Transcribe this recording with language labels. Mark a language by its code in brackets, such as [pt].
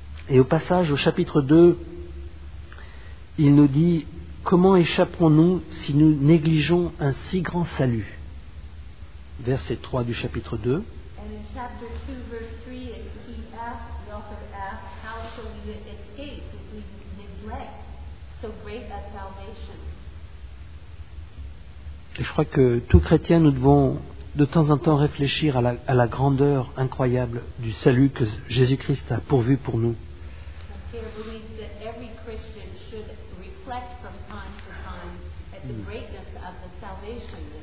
[fr] Et au passage, au chapitre 2, il nous dit « Comment échapperons-nous si nous négligeons un si grand salut ?» Verset 3 du chapitre 2. [en] And in chapter 2, verse 3, he asked, the author asked, how shall we escape if we neglect so great a salvation? [fr] Et je crois que tout chrétien, nous devons de temps en temps réfléchir à la grandeur incroyable du salut que Jésus-Christ a pourvu pour nous. [en] Pierre believes that every Christian should reflect from time to time at the greatness of the salvation.